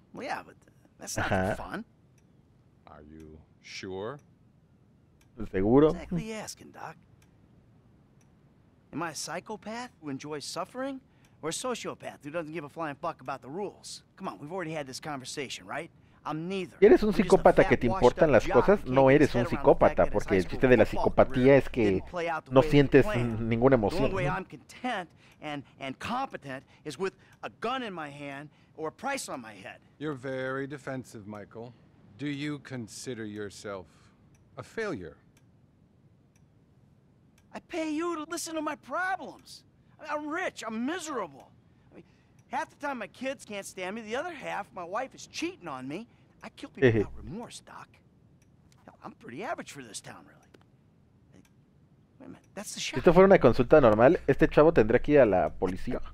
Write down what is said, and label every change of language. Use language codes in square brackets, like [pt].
[en] Well, yeah, but that's not fun. Are you sure? [es] ¿Seguro? [en] Exactly asking, Doc. Am I a psychopath who enjoys suffering? Or a sociopath who doesn't give a flying fuck about the rules? Come on, we've already had this conversation, right? I'm neither. [es] ¿Eres un psicópata que te importan las cosas? No eres un psicópata, porque el chiste de la psicopatía es que no sientes ninguna emoción. [en] The only way I'm content and competent is with a gun in my hand or a price on my head. You're very defensive, Michael. Do you consider yourself a failure? I pay you to listen to my problems. I'm rich. I'm miserable. I mean, half the time my kids can't stand me. The other half, my wife is cheating on me. I kill people without remorse, Doc. Hell, I'm pretty average for this town, really. Wait a minute. That's the shot. [es] Si esto fuera una consulta normal, este chavo tendría que ir a la policía.